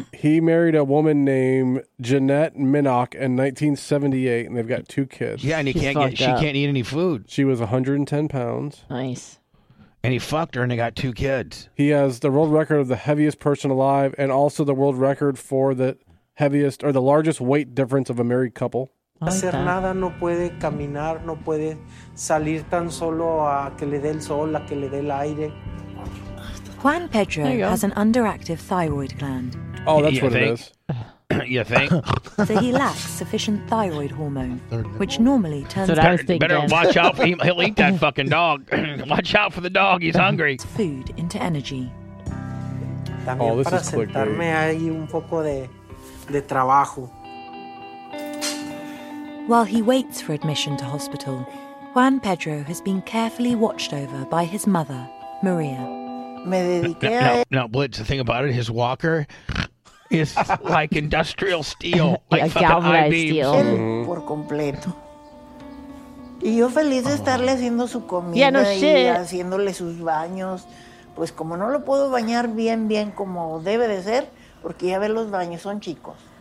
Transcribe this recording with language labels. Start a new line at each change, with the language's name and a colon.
English: He married a woman named Jeanette Minock in 1978, and they've got 2 kids. Yeah, and she can't eat any food. She was 110 pounds. Nice. And he fucked her, and they got 2 kids. He has the world record of the heaviest person alive, and also the world record for the heaviest or the largest weight difference of a married couple.
Spanish: Hacer nada, no puede caminar, no puede salir tan solo a que le dé el sol, a que le dé el aire.
English: Juan Pedro has an underactive thyroid gland. Oh, that's what it is. You think? So he lacks sufficient thyroid hormone, which normally turns out. Better watch out for him. He'll eat that fucking dog. Watch out for the dog. He's hungry. Food into energy. Oh, this is clickbait. While he waits for admission to hospital, Juan Pedro has been carefully watched over by his mother, Maria. Now, Blitz, the thing about it, his walker is like industrial steel, like a galvanized steel.
Spanish: Por completo. Y yo feliz de estarle haciendo su comida y haciéndole sus baños. Pues como no lo puedo bañar bien, bien como debe de ser, porque ya ve los baños son chicos.